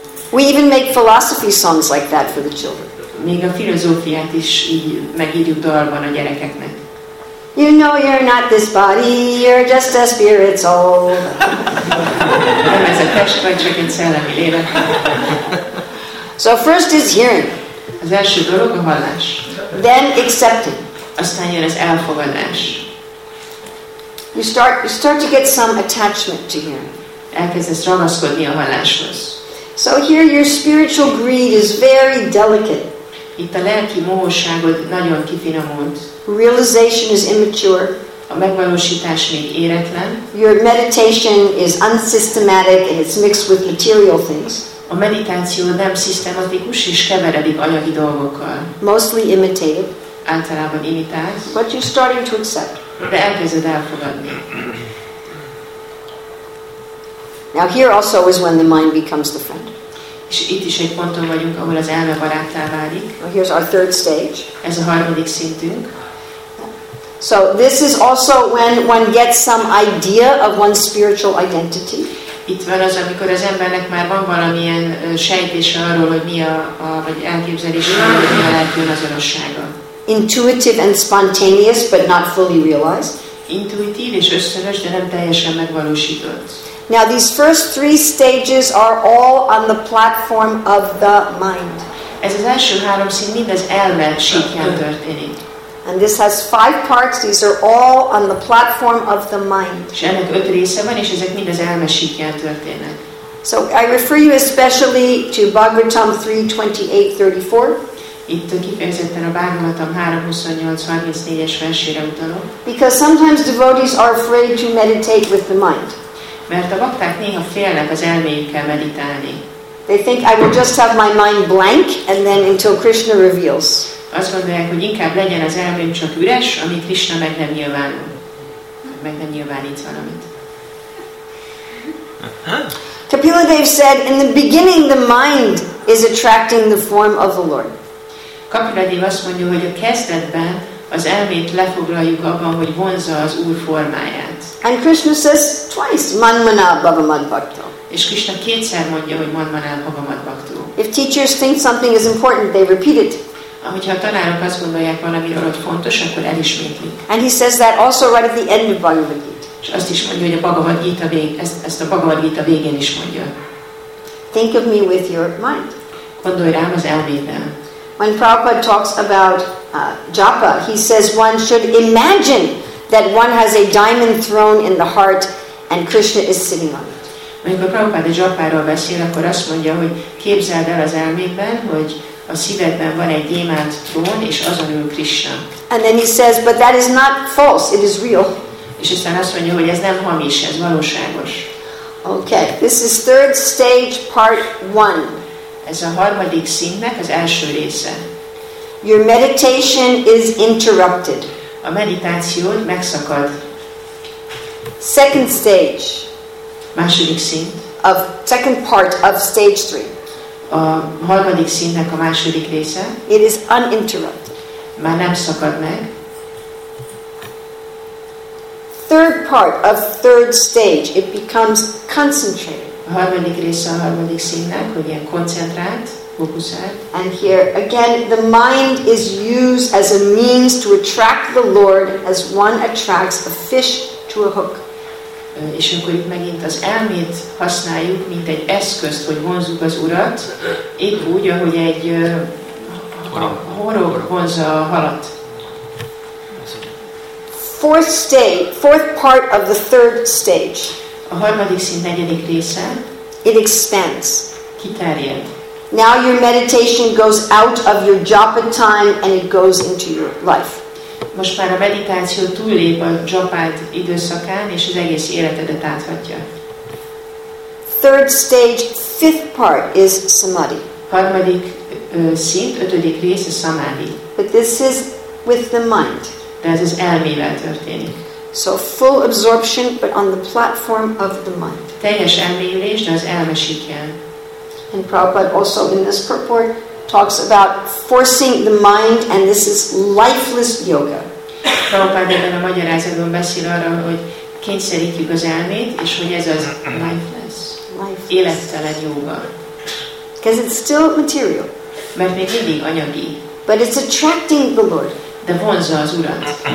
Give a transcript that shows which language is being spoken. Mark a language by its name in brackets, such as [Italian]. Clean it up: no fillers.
[English] We even make philosophy songs like that for the children. [Hungarian] Még a filozófiát is így megírjuk dalban a gyerekeknek. [English] You know you're not this body, you're just a spirit soul. [Hungarian] Nem ez a test, vagy csak egy szellemi lélek. [English] So first is hearing. [Hungarian] Az első dolog a hallás. [English] Then accepting. [Hungarian] Aztán jön az elfogadás. [English] You start to get some attachment to hearing. [Hungarian] Elkezdesz ragaszkodni a halláshoz. [English] So here your spiritual greed is very delicate. [Hungarian] Itt a lelki mohosságod nagyon kifinomult. [English] Realization is immature. [Hungarian] A megvalósítás még éretlen. [English] Your meditation is unsystematic and it's mixed with material things. [Hungarian] A meditáció nem szisztematikus és keveredik anyagi dolgokkal. [English] Mostly imitative. [Hungarian] Általában imitálsz. [English] But you're starting to accept. [Hungarian] De elkezded elfogadni. [English] Now here also is when the mind becomes the friend. [Hungarian] És itt is egy ponton vagyunk, ahol az elme baráttá válik. [English] Here's our third stage. [Hungarian] Ez a harmadik szintünk. [English] So this is also when one gets some idea of one's spiritual identity. [Hungarian] Itt van az, amikor az embernek már van valamilyen sejtése arról, hogy mi a vagy elképzelés, hogy mi a lelki önazonossága. [English] Intuitive and spontaneous, but not fully realized. [Hungarian] Intuitív és ösztönös, de nem teljesen megvalósított. [English] Now these first three stages are all on the platform of the mind. [Hungarian] Ez az első három szint mind az elme síkján történik. [English] And this has five parts. These are all on the platform of the mind. [Hungarian] És ennek öt része van, és ezek mind az elme síkján történnek. [English] So I refer you especially to Bhagavatam 3:28-34. [Hungarian] Itt kifejezetten a Bhagavatam 3:28-34-es versére utalok. [English] Because sometimes devotees are afraid to meditate with the mind. [Hungarian] Mert a bakták néha félnek az elméjükkel meditálni. [English] They think I will just have my mind blank and then until Krishna reveals. [Hungarian] Azt gondolják, hogy inkább legyen az elmém csak üres, amíg Krishna meg nem nyilvánít valamit. [English] Kapila Dev said, in the beginning the mind is attracting the form of the Lord. [Hungarian] Kapila Dev azt mondja, hogy a kezdetben az elmét lefoglaljuk abban, hogy vonzza az Úr formáját. [English] And Krishna says twice, [Sanskrit] manmana bhavamad bhakto. [Hungarian] És Krishna kétszer mondja, hogy [Sanskrit] manmana bhavamad bhakto. [English] If teachers think something is important, they repeat it. [Hungarian] Amikor a tanárok azt gondolják valamiről, hogy fontos, akkor elismétlik. [English] And he says that also right at the end of Bhagavad Gita. [Hungarian] És azt is mondja, hogy a Bhagavad Gita ezt a Bhagavad Gita végén is mondja. [English] Think of me with your mind. [Hungarian] Gondolj rám az elmével. [English] When Prabhupada talks about japa, he says one should imagine that one has a diamond throne in the heart and Krishna is sitting on it. [Hungarian] Amikor Prabhupada japáról beszél, akkor azt mondja, hogy képzeld el az elmékben, hogy a szívedben van egy gyémánt trón, és azon ül Krishna. [English] And then he says, but that is not false, it is real. [Hungarian] És aztán azt mondja, hogy ez nem hamis, ez valóságos. [English] Okay, this is third stage, part one. [Hungarian] Ez a harmadik szintnek az első része. [English] Your meditation is interrupted. [Hungarian] A meditációd megszakad. [English] Second stage. [Hungarian] Második szint. [English] Of second part of stage three. [Hungarian] A harmadik szintnek a második része. [English] It is uninterrupted. [Hungarian] Már nem szakad meg. [English] Third part of third stage. It becomes concentrated. [Hungarian] A harmadik része a harmadik szintnek, hogy ilyen koncentrált. [English] And here again, the mind is used as a means to attract the Lord, as one attracts a fish to a hook. [Hungarian] És akkor itt megint az elmét használjuk, mint egy eszközt, hogy vonzzuk az Urat, épp úgy, ahogy egy horog vonzza a halat. [English] Fourth stage, fourth part of the third stage. [Hungarian] A harmadik szint negyedik része. [English] It expands. [Hungarian] Kiterjed. [English] Now your meditation goes out of your japa time and it goes into your life. [Hungarian] Most már a meditáció túllép a japád időszakán és az egész életedet áthatja. [English] Third stage, fifth part is samadhi. [Hungarian] harmadik szint, ötödik rész a szamádi. [English] But this is with the mind. [Hungarian] De ez az elmével történik. [English] So full absorption, but on the platform of the mind. [Hungarian] Teljes elmélyülés, de az elme síkján. [English] And Prabhupada also in this purport talks about forcing the mind, and this is lifeless yoga. [Hungarian] Prabhupada ebben a magyarázatban beszél arra, hogy kényszerítjük az elmét, és hogy ez az lifeless. Élettelen yoga. [English] Because it's still material. [Hungarian] Mert még mindig anyagi. [English] But it's attracting the Lord. [Hungarian] De vonza az Urat.